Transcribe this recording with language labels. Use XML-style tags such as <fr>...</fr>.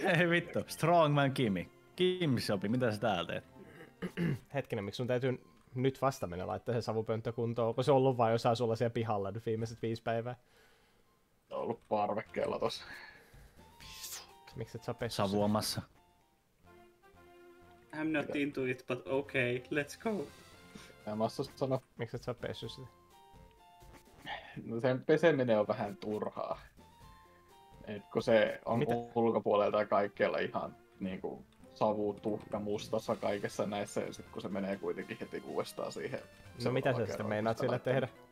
<fi>Ei vittu, Strongman Kimi. Kimsopi, mitä sä täällä teet? Hetkinen, miksi sun täytyy nyt vasta mennä laittaa se savupönttö kuntoon? Onko se ollut vain jossain sulla siellä pihalla nyt viimeiset 5 päivää? Se on ollut parvekkeella tossa. Miksi et sä pessu savuomassa?</fi> <en>I'm not into it, but okay, let's go.</en> <fi>Mä vastaan sanoa. Miksi et sä pessy sitä? No sen peseminen on vähän turhaa. Et kun se on mitä? Ulkopuolelta kaikkialla ihan niinku savu, tuhka, mustassa kaikessa näissä, ja sit kun se menee kuitenkin heti uudestaan siihen. No mitä sä sitten meinaat sille tehdä?</fi>